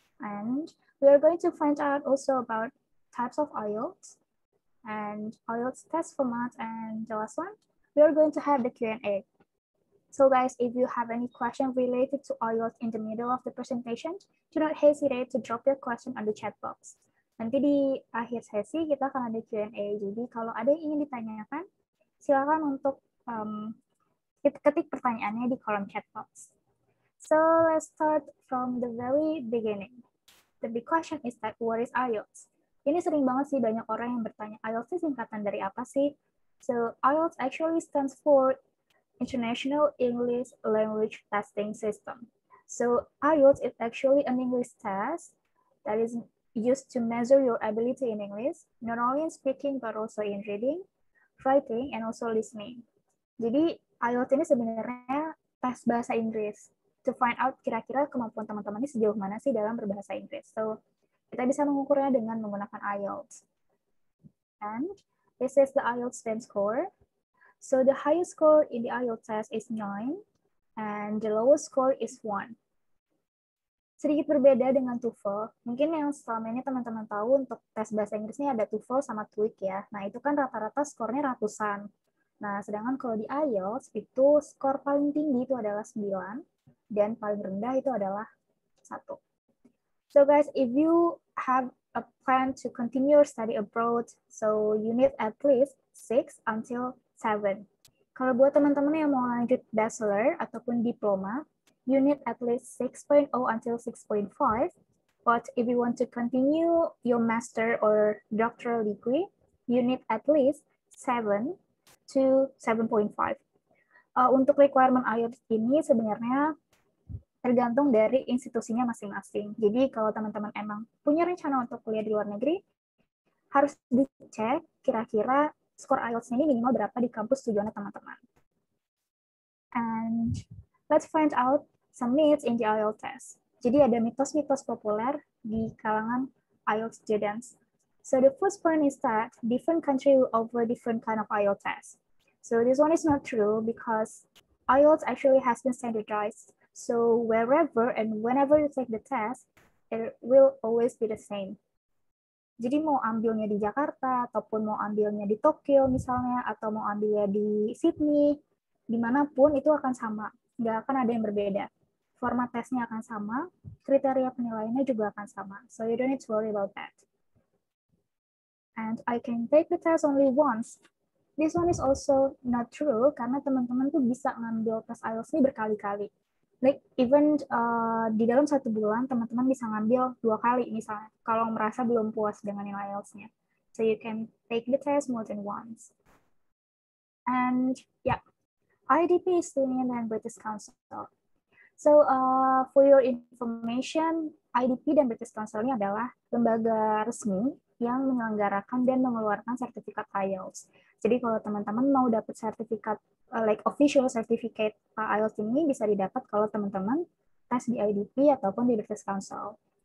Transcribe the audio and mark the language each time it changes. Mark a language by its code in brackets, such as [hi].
[en] And we are going to find out also about types of IELTS and IELTS test format. And the last one, we are going to have the Q&A. So guys, if you have any question related to IELTS in the middle of the presentation, do not hesitate to drop your question on the chat box. [id] Nanti di akhir sesi kita akan ada Q&A. Jadi kalau ada yang ingin ditanyakan, silakan untuk ketik pertanyaannya di kolom chat box. [en] So let's start from the very beginning. The big question is that what is IELTS? [id] Ini sering banget sih banyak orang yang bertanya, IELTS itu singkatan dari apa sih? [en] So IELTS actually stands for International English Language Testing System. So IELTS is actually an English test that is used to measure your ability in English, not only in speaking but also in reading, writing, and also listening. [id] Jadi IELTS ini sebenarnya tes bahasa Inggris [en] to find out [id] kira-kira kemampuan teman-teman ini sejauh mana sih dalam berbahasa Inggris. So kita bisa mengukurnya dengan menggunakan IELTS. [en] And this is the IELTS stand score. So the highest score in the IELTS test is 9, and the lowest score is 1. [id] Sedikit berbeda dengan TOEFL. Mungkin yang selama ini teman-teman tahu untuk tes bahasa Inggrisnya ada TOEFL sama TOEIC ya. Nah, itu kan rata-rata skornya ratusan. Nah, sedangkan kalau di IELTS, itu skor paling tinggi itu adalah 9, dan paling rendah itu adalah 1. [en] So guys, if you have a plan to continue your study abroad, so you need at least 6 until 7. [id] Kalau buat teman-teman yang mau lanjut bachelor ataupun diploma, [en] you need at least 6.0 until 6.5. But if you want to continue your master or doctoral degree, you need at least 7 to 7.5. [id] Untuk requirement IELTS ini sebenarnya tergantung dari institusinya masing-masing. Jadi kalau teman-teman emang punya rencana untuk kuliah di luar negeri, harus dicek kira-kira skor IELTS ini minimal berapa di kampus tujuannya teman-teman. [en] And let's find out some myths in the IELTS test. [id] Jadi ada mitos-mitos populer di kalangan IELTS students. [en] So the first point is that different country will offer different kind of IELTS test. So this one is not true because IELTS actually has been standardized. So wherever and whenever you take the test, it will always be the same. [id] Jadi mau ambilnya di Jakarta, ataupun mau ambilnya di Tokyo misalnya, atau mau ambilnya di Sydney, dimanapun itu akan sama. Nggak akan ada yang berbeda. Format tesnya akan sama, kriteria penilaiannya juga akan sama. [en] So you don't need to worry about that. And I can take the test only once. This one is also not true, [id] karena teman-teman tuh bisa ngambil tes IELTS ini berkali-kali. [en] Like even [id] di dalam satu bulan, teman-teman bisa ngambil dua kali misalnya, kalau merasa belum puas dengan nilai IELTS-nya. [en] So you can take the test more than once. And yeah, IDP is the Indian and British Council. So for your information, [id] IDP dan British Council ini adalah lembaga resmi yang menyelenggarakan dan mengeluarkan sertifikat IELTS. Jadi kalau teman-teman mau dapat sertifikat [en] like official certificate [id] IELTS ini bisa didapat kalau teman-teman tes di IDP ataupun di British Council.